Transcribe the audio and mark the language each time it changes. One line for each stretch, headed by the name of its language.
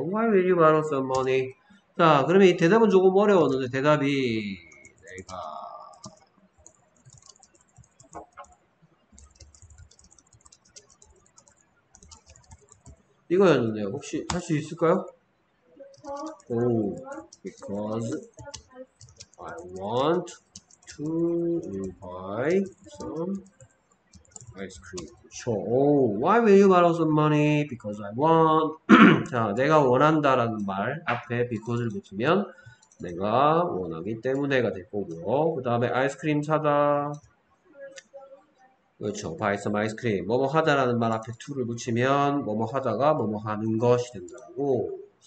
English: Why will you borrow some money?
Korean: 자, 그러면 이 대답은 조금 어려웠는데, 대답이 내가 이거였는데요. 혹시 할수 있을까요?
English: 오, because I want to buy some ice cream.
Korean: 그렇죠. 오,
English: why will you borrow some money? Because I want.
Korean: 자, 내가 원한다라는 말 앞에 because를 붙이면 내가 원하기 때문에가 될 거고요. 그 다음에 아이스크림 사다. 그렇죠.
English: Buy some ice cream.
Korean: 뭐뭐 하다라는 말 앞에 to를 붙이면 뭐뭐 하다가 뭐뭐 하는 것이 된다고.